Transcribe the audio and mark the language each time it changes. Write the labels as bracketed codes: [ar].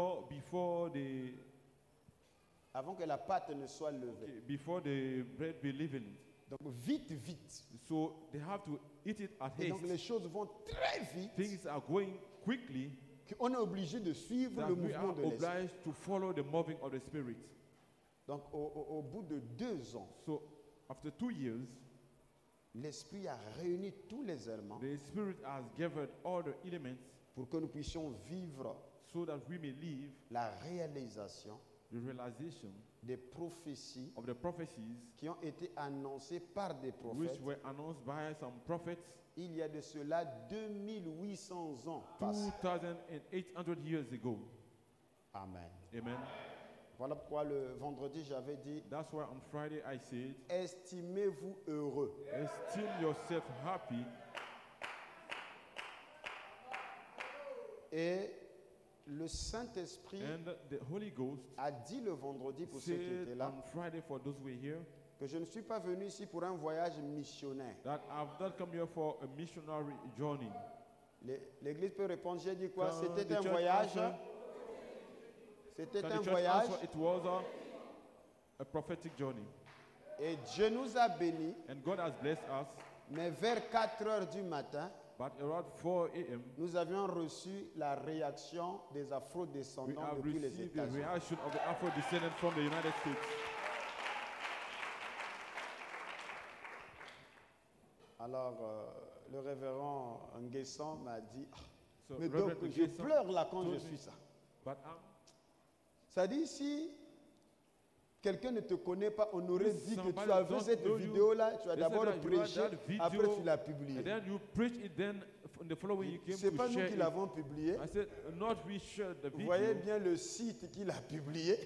[en] Before the [fr] avant que la pâte ne soit levée. Okay, [en] before the bread be leavened. [fr] Donc vite, vite. [en] So they have to eat it at [fr] et [en] haste. [fr] Donc les choses vont très vite. [en] Things are going quickly. [fr] Qu'on est obligé de suivre le mouvement de l'esprit. [en] That we are obliged to follow the moving of the spirit. [fr] Donc au bout de 2 ans. [en] So after 2 years. [fr] L'esprit a réuni tous les éléments. [en] The spirit has gathered all the elements. [fr] Pour que nous puissions vivre. [en] So that we may live. [fr] La réalisation. [en] The realization [fr] des prophéties [en] of the prophecies [fr] qui ont été annoncées par des prophètes [en] which were announced by some prophets [fr] il y a de cela 2800 ans [en] 2800 years ago. [fr] Amen. [en] Amen. [fr] Voilà pourquoi le vendredi j'avais dit [en] that's why on Friday I said [fr] estimez-vous heureux. [en] Esteem yourself happy. [fr] Et le Saint-Esprit [en] and the Holy Ghost [fr] a dit le vendredi pour ceux qui étaient là [en] on Friday for those who were here, [fr] que je ne suis pas venu ici pour un voyage missionnaire. [en] That I've not come here for a missionary journey. [fr] L'Église peut répondre, j'ai dit quoi? C'était un voyage. C'était un voyage. [en] It was a prophetic journey. [fr] Et Dieu nous a bénis. [en] And God has blessed us. [fr] Mais vers 4 heures du matin, [en] but around 4 a.m. [fr] nous avions reçu la réaction des Afro-descendants depuis les États-Unis. [en] We have received the reaction of the Afro-descendants from the United States. [fr] Alors, le révérend Nguessan m'a dit, mais donc je pleure là quand je suis ça. [en] But [fr] ça dit si quelqu'un ne te connaît pas, on aurait dit que tu as vu cette vidéo-là, tu as d'abord prêché, après tu l'as publié. [en] Then you preach it, then the following you came to share. [fr] C'est pas nous qui l'avons publié. [en] I said, not we shared the video. [fr] Vous voyez bien le site qui l'a publié.